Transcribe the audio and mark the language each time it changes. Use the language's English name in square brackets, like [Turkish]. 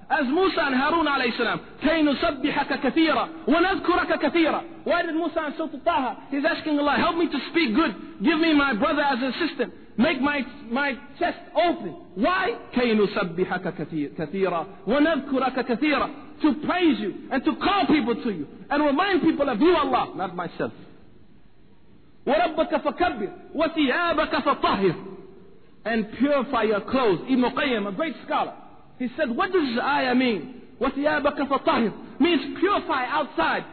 [English] As Musa and Harun alayhi salam, [Arabic] كَيْ نُسَبِّحَكَ كَثِيرًا وَنَذْكُرَكَ كَثِيرًا. [English] Why did Musa and Surah Taha? He's asking Allah, help me to speak good. Give me my brother as an assistant. Make my chest open. Why? [Arabic] كي نسبحك كثيرا ونذكرك كثيرا. [English] To praise you and to call people to you and remind people of you, Allah, not myself. [Arabic] وربك فكبر وثيابك فطهر. [English] And purify your clothes. Ibn Qayyim, a great scholar, he said, what does this ayah mean? [Arabic] وثيابك فطهر [English] means purify outside.